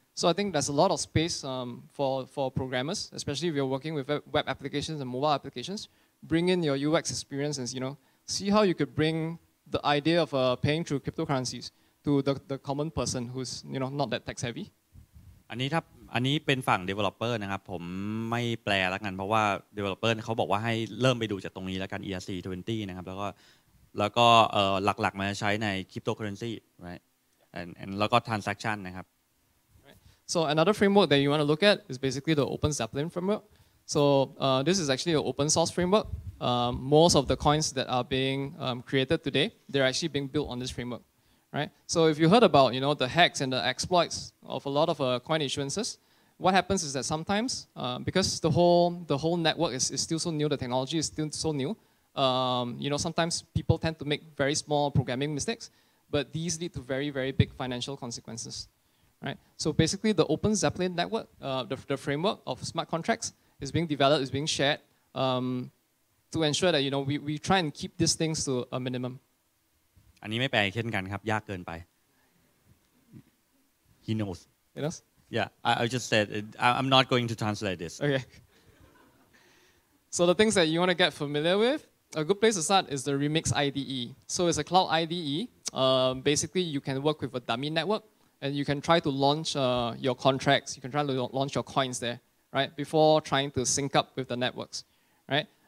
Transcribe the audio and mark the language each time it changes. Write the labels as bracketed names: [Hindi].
[English] So I think there's a lot of space for programmers, especially if you're working with web applications and mobile applications. Bring in your UX experience and you know, see how you could bring the idea of paying through cryptocurrencies to the common person who's you know not that tech savvy. [Thai] อันนี้เป็นฝั่ง developer นะครับผมไม่แปลแล้วกันเพราะว่า developer เขาบอกว่าให้เริ่มไปดูจากตรงนี้แล้วกัน ERC 20นะครับแล้วก็หลักๆมาใช้ใน cryptocurrency [English] right and [Thai] แล้วก็ transaction นะครับ [English] So another framework that you want to look at is basically the Open Zeppelin framework. So this is actually an open source framework. Most of the coins that are being created today, they're actually being built on this framework, right? So if you heard about, you know, the hacks and the exploits of a lot of coin issuances, what happens is that sometimes, because the whole network is still so new, the technology is still so new, you know, sometimes people tend to make very small programming mistakes, but these lead to very, very big financial consequences. Right. So basically, the Open Zeppelin network, the framework of smart contracts, is being developed, is being shared, to ensure that you know we try and keep these things to a minimum. [Thai] อันนี้ไม่แปลเช่นกันครับยากเกินไป [English] He knows. He knows. Yeah. I just said I'm not going to translate this. Okay. So the things that you want to get familiar with, a good place to start is the Remix IDE. So it's a cloud IDE. Basically, you can work with a dummy network. And you can try to launch your contracts. You can try to launch your coins there, right? Before trying to sync up with the networks, right?